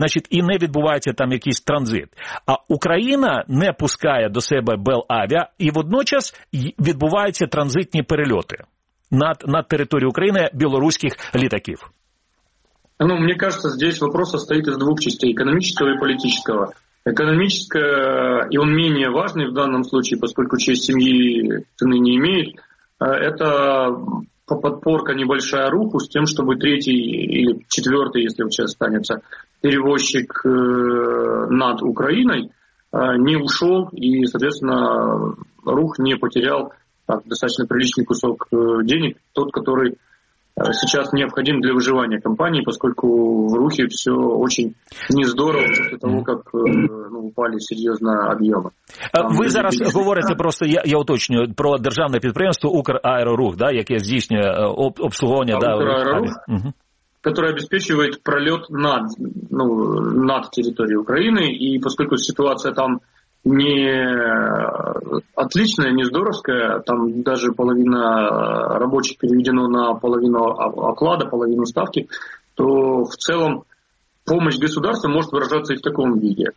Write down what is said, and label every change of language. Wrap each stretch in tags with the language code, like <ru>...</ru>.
<uk>І не відбувається там якийсь транзит. А Україна не пускає до себе Белавія, і водночас відбуваються транзитні перельоти над територією України білоруських літаків.</uk> <ru>Ну, мені кажется, здесь вопрос состоит из двух частей, экономического и политического. Экономическое, и он менее важный в данном случае, поскольку честь семьи цены не имеет, это подпорка небольшая руку с тем, чтобы третий или четвертый, если вот сейчас останется, перевозчик над Украиной не ушел и, соответственно, рух не потерял так, достаточно приличный кусок денег, тот, который сейчас необходим для выживания компании, поскольку в рухе все очень нездорово после того, как упали серьезно объемы.</ru> <uk>Ви зараз говорите просто, я уточнюю, про державне підприємство «Украерорух», да, яке здійснює обслуговування.</uk> <ru>Да, «Украерорух», которое обеспечивает пролет над, ну, над территорией Украины, и поскольку ситуация там не отличная, не здоровская, там даже половина рабочих переведено на половину оклада, половину ставки, то в целом помощь государства может выражаться и в таком виде.</ru>